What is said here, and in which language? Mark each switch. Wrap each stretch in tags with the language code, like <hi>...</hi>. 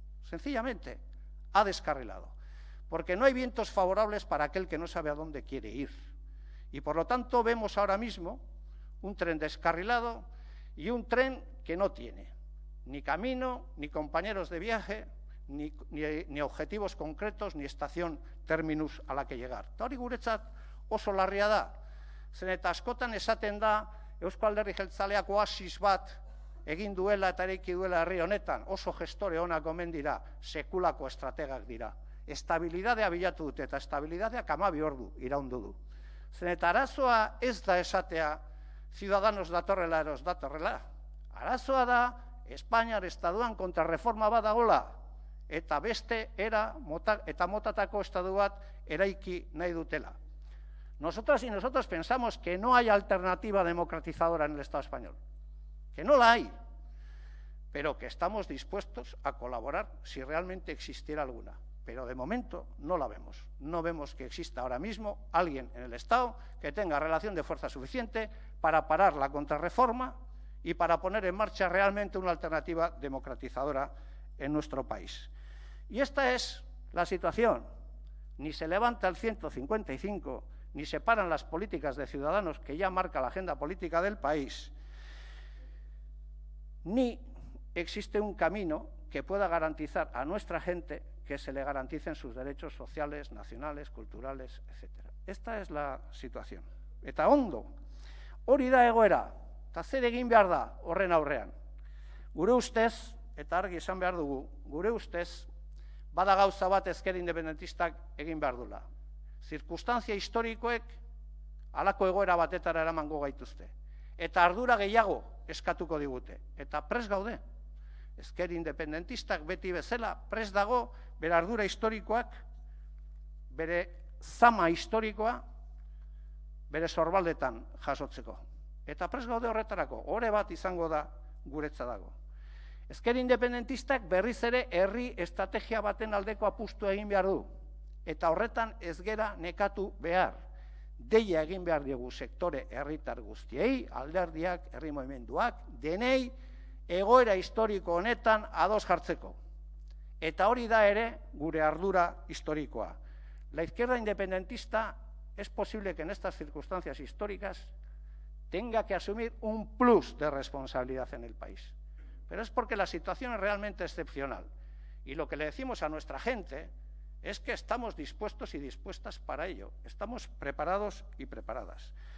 <es>Sencillamente, ha descarrilado. Porque no hay vientos favorables para aquel que no sabe a dónde quiere ir. Y por lo tanto vemos ahora mismo un tren descarrilado y un tren que no tiene ni camino, ni compañeros de viaje, ni objetivos concretos, ni estación terminus a la que llegar.</es> <eu>Hori guretzat oso larria da. Zen eta askotan esaten da Eusko Alderdi Jeltzaleak oasis bat egin duela eta eraiki duela herri honetan, oso gestore onak omen dira, sekulako estrategak dira. Estabilidadea bilatu dute eta estabilidadeak 12 ordu iraundu du. Zen eta arazoa ez da esatea Ciudadanos datorrela eros datorrela. Arazoa da Espainiar estatuan kontrarreforma bat dagoela eta beste era mota, eta motatako estatu bat eraiki nahi dutela.</eu> <es>Nosotras y nosotros pensamos que no hay alternativa democratizadora en el Estado español, que no la hay, pero que estamos dispuestos a colaborar si realmente existiera alguna. Pero de momento no la vemos. No vemos que exista ahora mismo alguien en el Estado que tenga relación de fuerza suficiente para parar la contrarreforma y para poner en marcha realmente una alternativa democratizadora en nuestro país. Y esta es la situación. Ni se levanta el 155... ni se paran las políticas de Ciudadanos que ya marca la agenda política del país, ni existe un camino que pueda garantizar a nuestra gente que se le garanticen sus derechos sociales, nacionales, culturales, etcétera. Esta es la situación.</es> <eu>Eta ondo, hori da egoera, eta zer egin behar da horren aurrean. Gure ustez, eta argi esan behar dugu, gure ustez, bada gauza bat ezker independentistak egin behar dula. Zirkustantzia historikoek halako egoera batetara eramango gaituzte. Eta ardura gehiago eskatuko digute. Eta prest gaude. Ezker independentistak beti bezala prest dago bere ardura historikoak, bere zama historikoa, bere sorbaldetan jasotzeko. Eta prest gaude horretarako, ore bat izango da guretza dago. Ezker independentistak berriz ere herri estrategia baten aldeko apustu egin behar du. Eta horretan ez gera nekatu behar. Deia egin behar diogu sektore herritar guztiei, alderdiak, herri mugimenduak, denei, egoera historiko honetan ados jartzeko. Eta hori da ere gure ardura historikoa.</eu> <es>La izquierda independentista es posible que en estas circunstancias históricas tenga que asumir un plus de responsabilidad en el país. Pero es porque la situación es realmente excepcional. Y lo que le decimos a nuestra gente es que estamos dispuestos y dispuestas para ello. Estamos preparados y preparadas.</es>